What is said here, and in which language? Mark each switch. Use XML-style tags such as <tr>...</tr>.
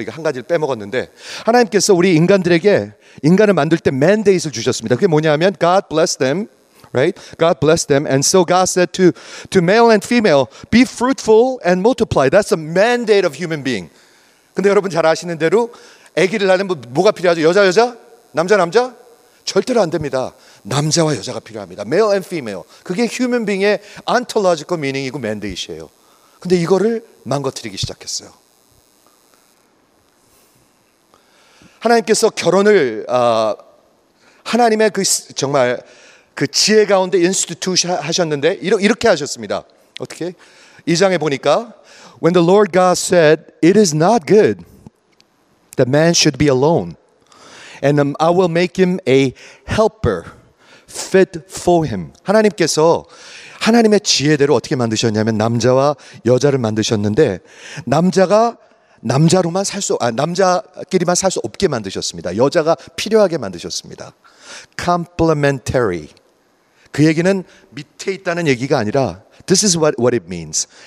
<ko>이거 한 가지를 빼먹었는데 하나님께서 우리 인간들에게 인간을 만들 때 mandate을 주셨습니다. 그게 뭐냐면</ko> <en>God bless them, right? God bless them. And so God said to male and female, be fruitful and multiply. That's a mandate of human being.</en> <ko>근데 여러분 잘 아시는 대로 아기를 낳으면 뭐가 필요하죠? 여자 여자? 남자 남자? 절대로 안 됩니다. 남자와 여자가 필요합니다.</ko> <en>Male and female.</en> <ko>그게 human being의 ontological meaning이고 mandate이에요. 근데 이거를 망가뜨리기 시작했어요. 하나님께서 결혼을 하나님의 그 정말 그 지혜 가운데 인스티튜트 하셨는데 이렇게 하셨습니다. 어떻게? 이 장에 보니까</ko> <en>When the Lord God said, "It is not good that man should be alone, and I will make him a helper fit for him."</en> <ko>하나님께서 하나님의 지혜대로 어떻게 만드셨냐면 남자와 여자를 만드셨는데 남자가 남자로만 살 수, 남자끼리만 살 수 없게 만드셨습니다. 여자가 필요하게 만드셨습니다. Complementary. 그 얘기는 밑에 있다는 얘기가 아니라</ko> <en>This is what it means.</en>